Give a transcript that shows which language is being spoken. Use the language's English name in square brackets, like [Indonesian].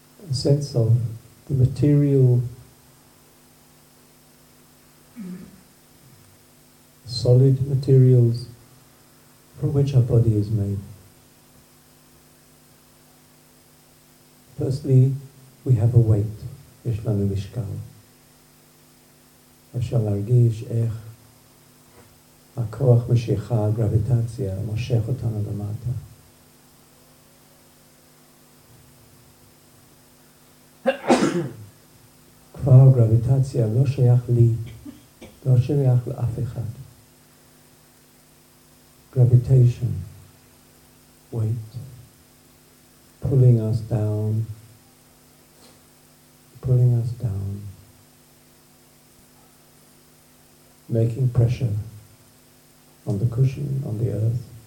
[English] A sense of the material solid materials from which our body is made. Firstly, we have a weight. [Hebrew] יש לנו משקל. אפשר להרגיש איך הכוח משיכה, הגרביטציה, מושך אותנו למטה. כבר גרביטציה לא שייך לי, לא שייך לאף אחד. [English] Gravitation, weight, pulling us down. Pulling us down, making pressure on the cushion, on the earth.